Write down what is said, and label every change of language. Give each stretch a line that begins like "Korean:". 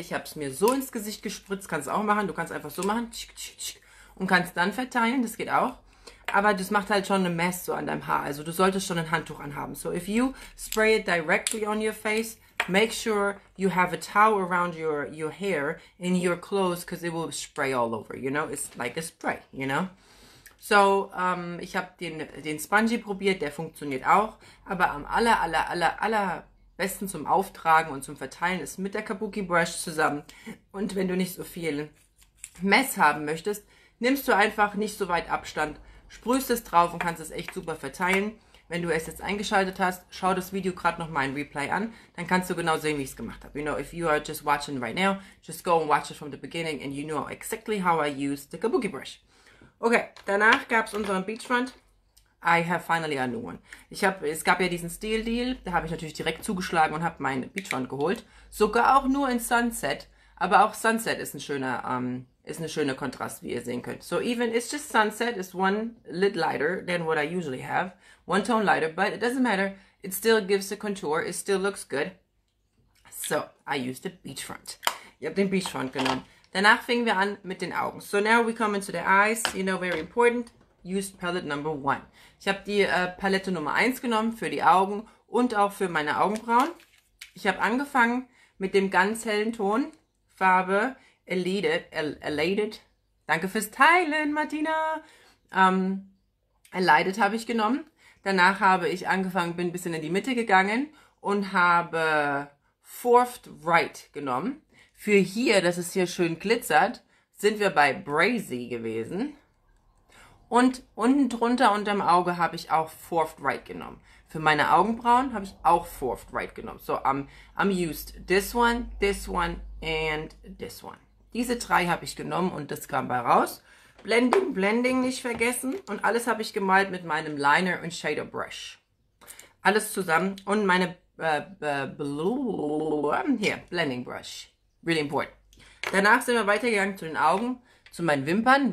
German: Ich habe es mir so ins Gesicht gespritzt. Kannst du auch machen. Du kannst einfach so machen. Und kannst dann verteilen. Das geht auch. Aber das macht halt schon eine Mess so an deinem Haar. Also du solltest schon ein Handtuch anhaben.
English: So if you spray it directly on your face, make sure you have a towel around your hair in your clothes, because it will spray all over. You know, it's like a spray, you know.
German: So, ich habe den Spongy probiert, der funktioniert auch. Aber am allerbesten zum Auftragen und zum Verteilen ist mit der Kabuki Brush zusammen. Und wenn du nicht so viel Mess haben möchtest, nimmst du einfach nicht so weit Abstand, sprühst es drauf und kannst es echt super verteilen. Wenn du es jetzt eingeschaltet hast, schau das Video gerade nochmal in Replay an. Dann kannst du genau sehen, wie ich es gemacht habe.
English: You know, if you are just watching right now, just go and watch it from the beginning and you know exactly how I use the Kabuki Brush.
German: Okay, danach gab es unseren Beachfront.
English: I have finally a new one.
German: Es gab ja diesen Steel Deal, da habe ich natürlich direkt zugeschlagen und habe meinen Beachfront geholt. Sogar auch nur in Sunset. Aber auch Sunset ist ein schöner, ist eine schöne Kontrast, wie ihr sehen könnt.
English: So even, it's just Sunset is one lit lighter than what I usually have. One tone lighter, but it doesn't matter. It still gives a contour, it still looks good. So, I used the Beachfront.
German: Ich habe den Beachfront genommen. Danach fingen wir an mit den Augen.
English: So now we come into the eyes, you know, very important. Used Palette Number 1.
German: Ich habe die Palette Nummer 1 genommen für die Augen und auch für meine Augenbrauen. Ich habe angefangen mit dem ganz hellen Ton, Farbe Elated. Danke fürs Teilen, Martina. Elated habe ich genommen. Danach habe ich angefangen, bin ein bisschen in die Mitte gegangen und habe Fourth Right genommen. Für hier, dass es hier schön glitzert, sind wir bei Brazy gewesen. Und unten drunter unterm Auge habe ich auch Fourth Right genommen. Für meine Augenbrauen habe ich auch Fourth Right genommen.
English: So, I'm used this one and this one.
German: Diese drei habe ich genommen und das kam bei raus. Blending nicht vergessen. Und alles habe ich gemalt mit meinem Liner und Shader Brush. Alles zusammen. Und meine Blending Brush.
English: Really important.
German: Danach sind wir weitergegangen zu den Augen, zu meinen Wimpern.